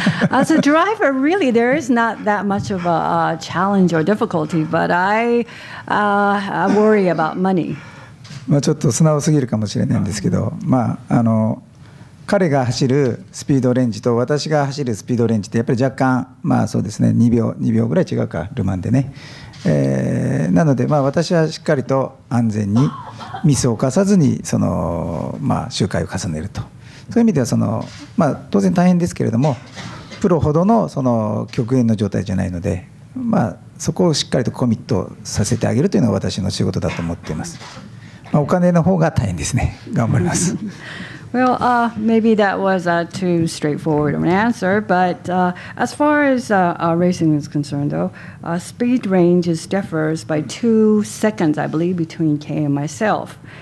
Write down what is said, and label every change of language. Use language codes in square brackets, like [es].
[en] As a driver, really, there is not that much of a challenge or difficulty, but I worry about money. [ja] まあちょっと素直すぎるかもしれないんですけど、まあ彼が走るスピードレンジと私が走るスピードレンジってやっぱり若干、まあそうですね、2秒ぐらい違うか、ルマンでね。なので、まあ私はしっかりと安全にミスを犯さずに、まあ周回を重ねると。そういう意味では、まあ当然大変ですけれども、プロほどのその極限の状態じゃないので、まあそこをしっかりとコミットさせてあげるというのが私の仕事だと思っています。まあ、お金の方が大変ですね。頑張ります。 [en] Well, maybe that was too straightforward of an answer, but as far as racing is concerned, though, speed range differs by 2 seconds, I believe, between Kay and myself.